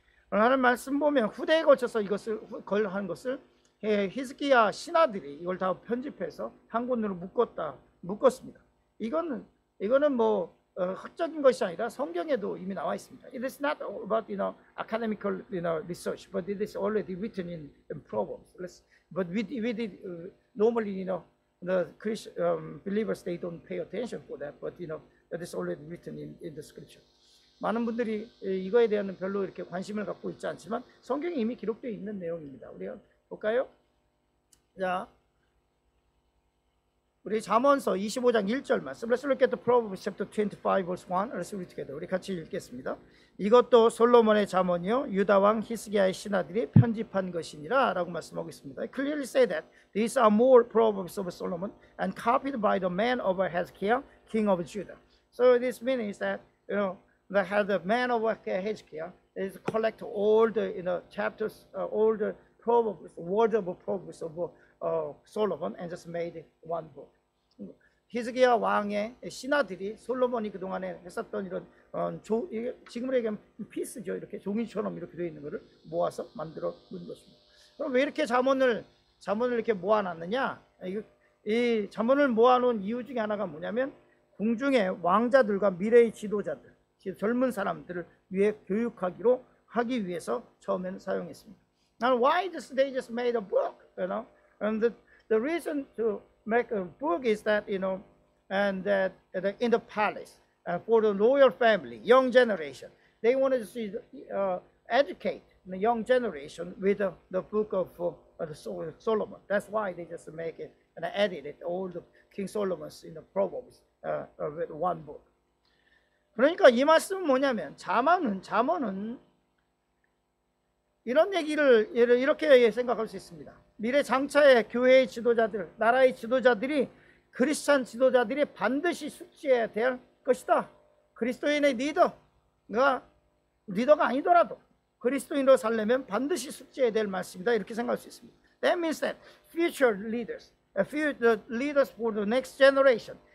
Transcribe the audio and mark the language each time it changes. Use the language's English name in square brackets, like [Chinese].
[Korean] 하나님 말씀 보면 후대에 걸쳐서 이것을 걸한 것을 히스기야 신하들이 이걸 다 편집해서 한 권으로 묶었습니다. 이거는 뭐 학적인 것이 아니라 성경에도 이미 나와 있습니다. [English] It is not about you know academical you know research, but it is already written in Proverbs. But we did normally you know the Christian believers they don't pay attention for that, but you know. That is already written in the scripture. [Korean] 많은 분들이 이거에 대한 별로 이렇게 관심을 갖고 있지 않지만 성경에 이미 기록되어 있는 내용입니다. 우리 볼까요? 자, 우리 잠언서 25장 1절 말씀. [English] Let's look at the Proverbs chapter 25 verse 1. Let's read together. [Korean] 우리 같이 읽겠습니다. 이것도 솔로몬의 잠언이요 유다 왕 히스기야의 신하들이 편집한 것이니라라고 말씀하고 있습니다. [English] I clearly say that these are more proverbs of Solomon and copied by the man of Hezekiah, king of Judah. So this means that you know they have the man of Hezekiah is collect all the you know chapters, all the proverbs, words of proverbs of Solomon and just made one book. [Korean] 히스기야 왕의 신하들이 솔로몬이 그 동안에 했었던 이런 지금으로 얘기하면 피스죠 이렇게 종이처럼 이렇게 되어 있는 것을 모아서 만들어 놓은 것입니다. 그럼 왜 이렇게 잠언을 이렇게 모아놨느냐? 이 잠언을 모아놓은 이유 중에 하나가 뭐냐면 궁중의 왕자들과 미래의 지도자들, 젊은 사람들을 위해 교육하기로 하기 위해서 처음에는 사용했습니다. [English] Now why did they just made a book? You know, and the reason to make a book is that you know, and that in the palace for the royal family, young generation, they wanted to see educate the young generation with the book of Solomon. That's why they just make it and edited all the King Solomon's in the Proverbs. With one book. [Korean] 그러니까 이 말씀은 뭐냐면 잠언은 이런 얘기를 이렇게 생각할 수 있습니다. 미래 장차의 교회의 지도자들, 나라의 지도자들이 그리스찬 지도자들이 반드시 숙지해야 될 것이다. 그리스도인의 리더가 아니더라도 그리스도인으로 살려면 반드시 숙지해야 될 말씀이다. 이렇게 생각할 수 있습니다. [English] That means that future leaders, future leaders for the next generation.